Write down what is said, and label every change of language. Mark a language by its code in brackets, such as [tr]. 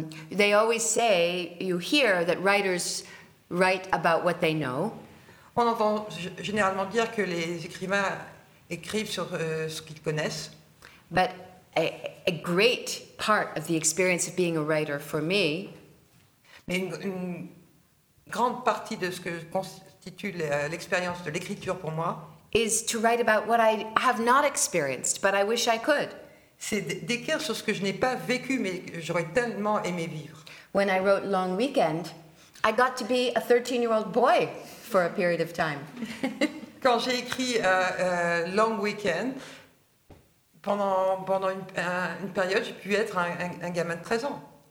[en] They always say, you hear that writers write about what they know. [fr] On entend généralement dire que les écrivains écrivent sur ce qu'ils connaissent. [en] But a great part of the experience of being a writer for me. [fr] Mais une grande partie de ce que constitue l'expérience de l'écriture pour moi. [en] Is to write about what I have not experienced, but I wish I could. [fr] C'est d'écrire sur ce que je n'ai pas vécu, mais que j'aurais tellement aimé vivre. [en] When I wrote Long Weekend, I got to be a 13-year-old boy for a period of time. [fr] Quand j'ai écrit Long Weekend, pendant une période, j'ai pu être un gamin de 13 ans.